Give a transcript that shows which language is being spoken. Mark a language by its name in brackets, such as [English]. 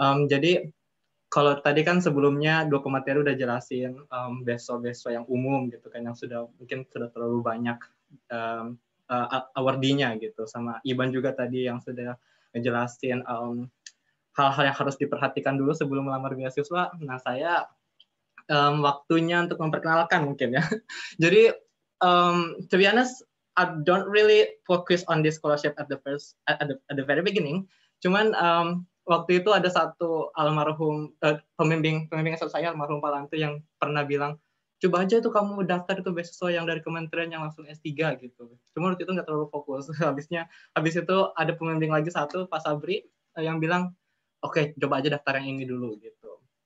[Indonesian] Jadi, kalau tadi kan sebelumnya dua pemateri udah jelasin beasiswa-beasiswa yang umum gitu kan, yang sudah mungkin sudah terlalu banyak awardinya gitu, sama Iban juga tadi yang sudah ngejelasin hal-hal yang harus diperhatikan dulu sebelum melamar beasiswa. Nah, saya waktunya untuk memperkenalkan mungkin ya. [English] Jadi, to be honest, I don't really focus on this scholarship at the very beginning. [Indonesian] Cuman waktu itu ada satu almarhum pembimbing asal saya, almarhum Pak Lantu, yang pernah bilang, coba aja tuh kamu daftar itu beasiswa yang dari kementerian yang langsung S3 gitu. Cuma waktu itu nggak terlalu fokus. Habis itu ada pembimbing lagi satu, Pak Sabri, yang bilang, oke, coba aja daftar yang ini dulu gitu.